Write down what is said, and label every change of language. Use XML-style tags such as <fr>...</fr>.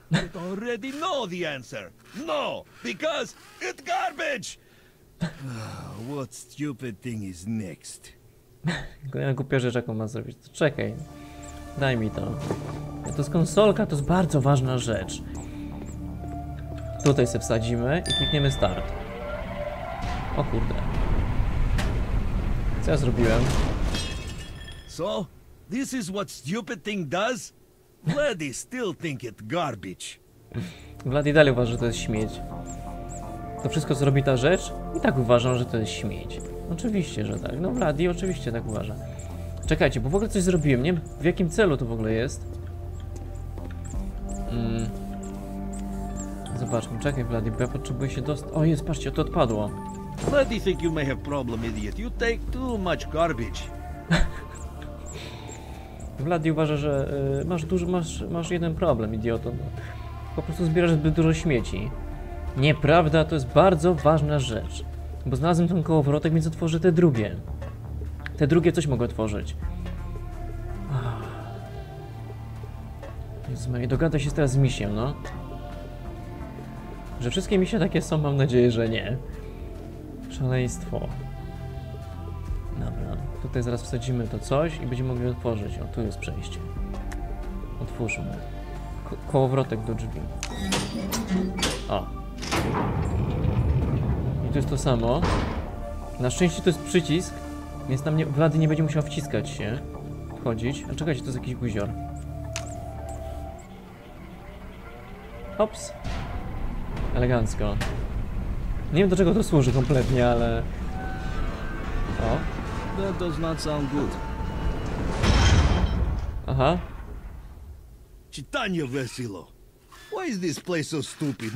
<en>I already know the answer. No, because it's garbage. What stupid thing is next?</en> <pl>Kolejna głupia rzecz, jaką ma zrobić. Czekaj. Daj mi to. To jest konsolka, to jest bardzo ważna rzecz. Tutaj se wsadzimy i klikniemy start. O kurde. Co ja zrobiłem?</pl> <en>So, this is what stupid thing does? Vladi still think it garbage.</en> <pl>Vladi dalej uważa, że to jest śmieć. to wszystko zrobi ta rzecz? I tak uważam, że to jest śmieć. Oczywiście, że tak. No Vladi oczywiście tak uważa. Czekajcie, bo w ogóle coś zrobiłem, nie? W jakim celu to w ogóle jest? Zobaczmy, czekaj Vladi, bo ja potrzebuję się dostać. O jest, patrzcie, to odpadło.</pl> <en>Vladi think you may have problem, idiot. You take too much garbage.</en> <pl>Vladi uważa, że masz jeden problem, idioto. Po prostu zbierasz zbyt dużo śmieci. Nieprawda, to jest bardzo ważna rzecz. Bo znalazłem ten kołowrotek, więc otworzę te drugie. Te drugie coś mogę otworzyć. Jezu, nie dogada się teraz z misiem, no. Że wszystkie misie takie są, mam nadzieję, że nie. Szaleństwo. Dobra, tutaj zaraz wsadzimy to coś i będziemy mogli otworzyć. O, tu jest przejście. Otwórzmy. Kołowrotek do drzwi. O. I to jest to samo. Na szczęście to jest przycisk, więc tam Vladi nie będzie musiał wciskać się, wchodzić. A czekajcie, to jest jakiś guzior. Hops. Elegancko. Nie wiem, do czego to służy kompletnie, ale... O.</pl> <en>That does not sound good. Aha.</en> <pl>Czytanie weselo.</pl> <en>Why is this place so stupid?</en>